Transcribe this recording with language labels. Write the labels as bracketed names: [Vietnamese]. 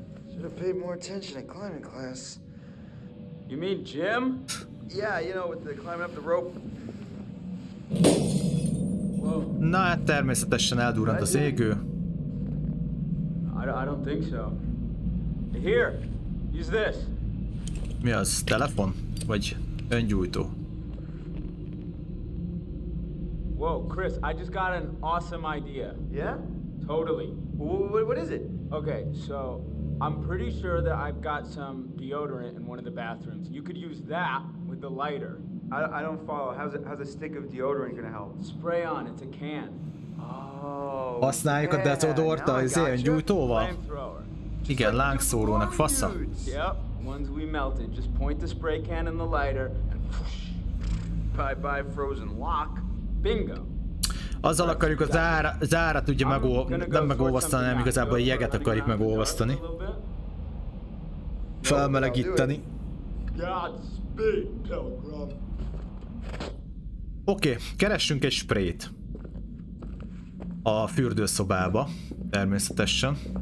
[English] Should have paid more attention in climbing class. You mean Jim? Yeah, you know, with the climbing up the rope. Whoa. [Hungarian] Na, hát természetesen eldurrant az égő. [English] I don't think so. Here, use this. [Hungarian] Mi az? Telefon? Vagy öngyújtó? [English] Whoa, Chris, I just got an awesome idea. Yeah? Totally. What is it? Okay, so I'm pretty sure that I've got some deodorant in one of the bathrooms. You could use that with the lighter. I don't follow. How's a stick of deodorant gonna help? Spray on. It's a can. Oh. [Hungarian] Használjuk a deodorant az ilyen gyújtóval. Igen, lángszórónak fassa. [English] Yep. Once we melted, just point the spray can in the lighter and whoosh. Bye bye frozen lock. Bingo. [Hungarian] Azzal akarjuk a zárat ugye megolvasztani, nem igazából a jeget akarjuk megolvasztani. Felmelegíteni. Oké, keressünk egy sprayt. A fürdőszobába, természetesen.